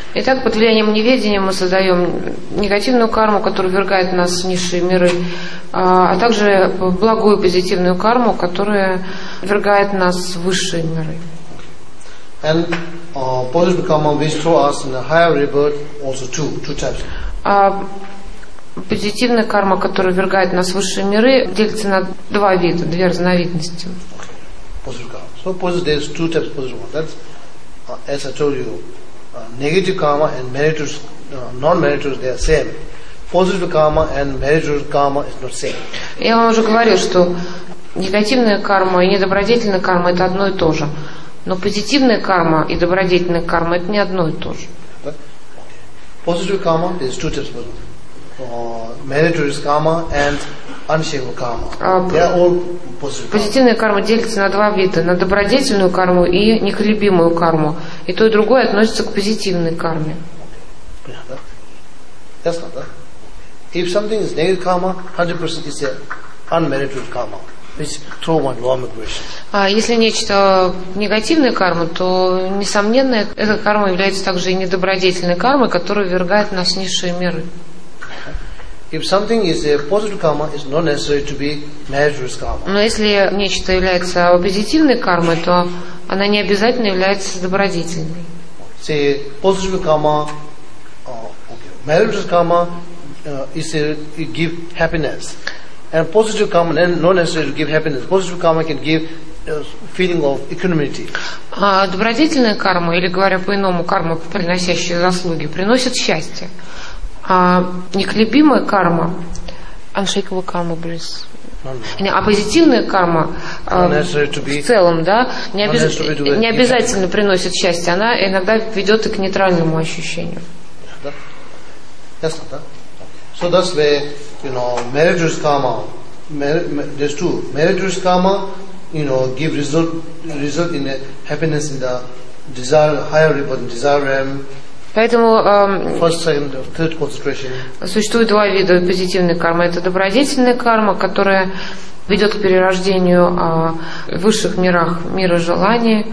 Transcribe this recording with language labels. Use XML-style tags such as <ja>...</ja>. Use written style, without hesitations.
<ru>Итак, под влиянием неведения мы создаем негативную карму, которая ввергает нас в низшие миры, а также благую позитивную карму, которая ввергает нас в высшие миры.</ru> <en>And positive karma which throw us in a higher rebirth also two types.</en> <ru>А позитивная карма, которая ввергает нас в высшие миры, делится на два вида, две разновидности.</ru> <en>Positive karma. So positive, there's two types of positive karma. That's as I told you, negative karma and meritorious, non-meritorious, they are same. Positive karma and meritorious karma is not same.</en> <ru>Я вам уже говорил, что негативная карма и недобродетельная карма это одно и то же, но позитивная карма и добродетельная карма это не одно и то же.</ru> <en>Positive karma is two types of meritorious karma and unshakable karma. They are all positive karma.</en> <ru>Позитивная карма делится на два вида: на добродетельную карму и неколебимую карму. И то и другое относится к позитивной карме.</ru> <en>That's not that. If something is negative karma, 100% is a unmerited karma, which throw one lower migration.</en> <ru>А если нечто негативная карма, то несомненно эта карма является также и недобродетельной кармой, которая ввергает нас в низшие миры.</ru> <en>If something is a positive karma, it's not necessary to be meritorious karma.</en> <ru>Но если нечто является позитивной кармой, то она не обязательно является добродетельной.</ru> <en>Say positive karma, meritorious karma. It give happiness, and positive karma and not necessarily give happiness. Positive karma can give feeling of equanimity.</en> <ru>Добродетельная карма, или говоря по-иному, карма, приносящая заслуги, приносит счастье. Неколебимая карма,</ru> <en>unshakable karma brings.</en> <ru>А позитивная карма в целом, да, не обязательно приносит счастье. Она иногда ведет и к нейтральному ощущению.</ru> <en>Yes, not that. So that's where, you know, meritorious karma, there's two. Meritorious karma, you know, give result in the happiness in the desire, higher rebirth in desire realm.</en> <ru>Поэтому,</ru> <en>first, second, third concentration.</en> <ru>Существует два вида позитивной кармы. Это добродетельная карма, которая ведет к перерождению в высших мирах мира желаний.</ru>